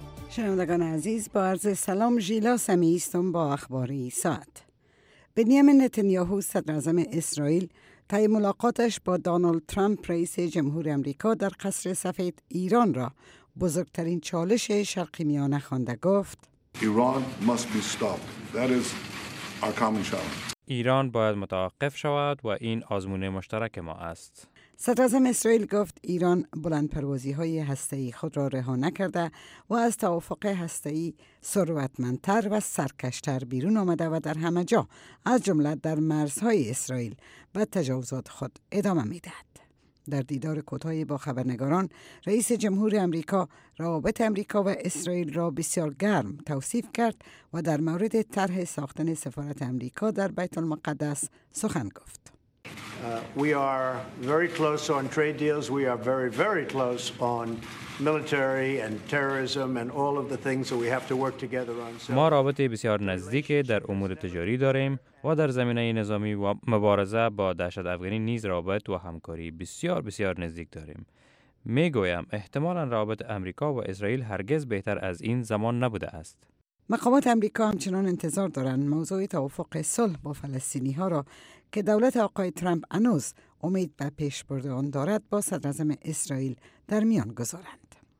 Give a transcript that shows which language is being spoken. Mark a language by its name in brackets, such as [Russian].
[Persian] شنوندگان عزیز، با عرض سلام، ژیلا سمیعی هستم با اخبار ساعت. بنیامین نتانیاهو صدر اعظم اسرائیل طی ملاقاتش با دونالد ترامپ رئیس جمهور آمریکا در قصر سفید ایران را بزرگترین چالش شرقی میانه خوانده، گفت [English] Iran must be stopped. That is our common challenge. [Persian] ایران باید متوقف شود و این آزمون مشترک ما است. صدر اعظم اسرائیل گفت ایران بلندپروازی‌های هسته‌ای خود را رها نکرده و از توافق هسته‌ای ثروتمندتر و سرکشتر بیرون آمده و در همه جا از جمله در مرزهای اسرائیل و تجاوزات خود ادامه می‌دهد. در دیدار کوتاهی با خبرنگاران، رئیس جمهور آمریکا روابط آمریکا و اسرائیل را بسیار گرم توصیف کرد و در مورد طرح ساختن سفارت آمریکا در بیت المقدس سخن گفت. [English] We are very close on trade deals. We are very, very close on military and terrorism and all of the things that we have to work together on. [Persian] ما رابطه بسیار نزدیک در امور تجاری داریم و در زمینه نظامی و مبارزه با دهشت افغانی نیز رابط و همکاری بسیار بسیار نزدیک داریم. می گویم احتمالاً رابط آمریکا و اسرائیل هرگز بهتر از این زمان نبوده است. مقامات آمریکا همچنان انتظار دارند موضوع توافق صلح با فلسطینی ها را که دولت آقای ترامپ هنوز امید به پیش برده آن دارد با صدر اعظم اسرائیل در میان گذارند.